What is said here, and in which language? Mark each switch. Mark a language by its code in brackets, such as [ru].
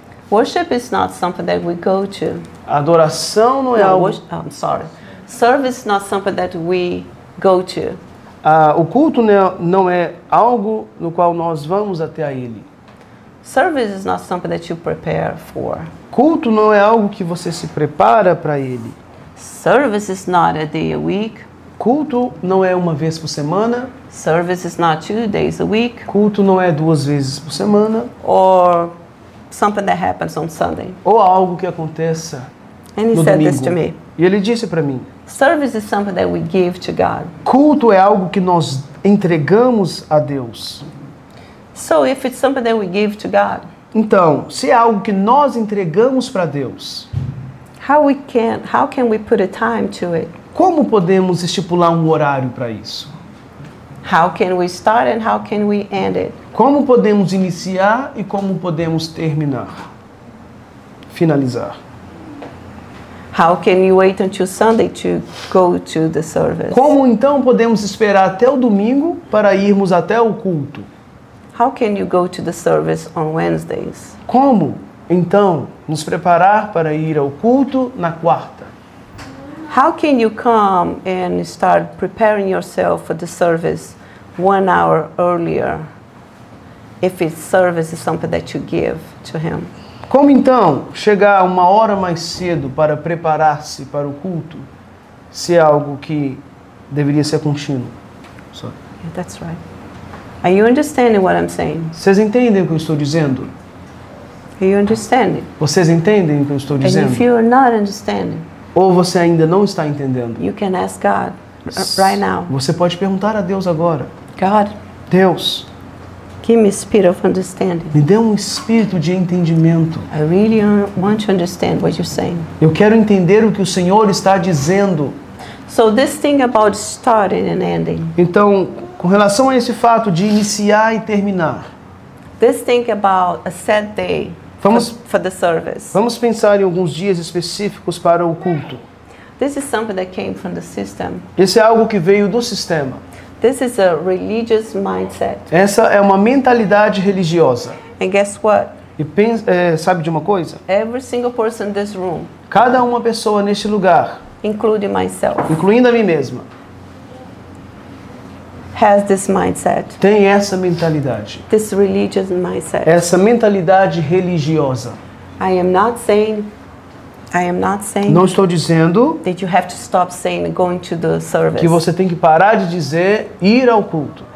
[en] Worship is not something that we go to. [pt] Adoração não é [en] no, [pt] algo. [en] I'm sorry. Service is not something that we go to. [pt] O culto não é algo no qual nós vamos até a ele. [en] Service is not something that you prepare for. [pt] Culto não é algo que você se prepara para ele. [en] Service is not a day a week. [pt] Culto não é uma vez por semana. [en] Service is not 2 days a week. [pt] Culto não é duas vezes por semana. [en] Or something that happens on Sunday. [pt] Ou algo que aconteça [en] and [pt] no [en] he said [pt] domingo. [en] This to me. [pt] E ele disse para mim. [en] Service is something that we give to God. [pt] Culto é algo que nós entregamos a Deus. [en] So if it's something that we give to God. [pt] Então, se é algo que nós entregamos para Deus. [en] How can we put a time to it? [pt] Como podemos estipular um horário para isso? [en] How can we start and how can we end it? [pt] Como podemos iniciar e como podemos terminar? Finalizar. [en] How can you wait until Sunday to go to the service? [pt] Como então podemos esperar até o domingo para irmos até o culto? [en] How can you go to the service on Wednesdays? [pt] Como então nos preparar para ir ao culto na quarta? [en] How can you come and start preparing yourself for the service 1 hour earlier if it's service is something that you give to him? [pt] Como então chegar uma hora mais cedo para preparar-se para o culto, se é algo que deveria ser contínuo? [en] Sorry. Yeah, that's right. Are you understanding what I'm saying? [pt] Vocês entendem o que eu estou dizendo? [en] Are you understanding? [pt] Vocês entendem o que eu estou dizendo? [en] And if you're not understanding, [pt] ou você ainda não está entendendo? [en] You can ask God right now. [pt] Você pode perguntar a Deus agora. [en] God. [pt] Deus. [en] Give me a spirit of understanding. [pt] Me dê um espírito de entendimento. [en] I really want to understand what you're saying. [pt] Eu quero entender o que o Senhor está dizendo. [en] So this thing about starting and ending. [pt] Então, com relação a esse fato de iniciar e terminar. [en] This thing about a set day [pt] vamos, [en] for the service. [pt] Vamos pensar em alguns dias específicos para o culto. [en] This is something that came from the system. [pt] Isso é algo que veio do sistema. [en] This is a religious mindset. [pt] Essa é uma mentalidade religiosa. [en] And guess what? [pt] E pensa, sabe de uma coisa? [en] Every single person in this room. [pt] Cada uma pessoa neste lugar. [en] Including myself. [pt] Incluindo a mim mesma. [en] Has this mindset. [pt] Tem essa mentalidade. [en] This religious mindset. [pt] Essa mentalidade religiosa. [en] I am not saying. [pt] Não estou dizendo. [en] That you have to stop saying going to the service. [pt] Que você tem que parar de dizer ir ao culto.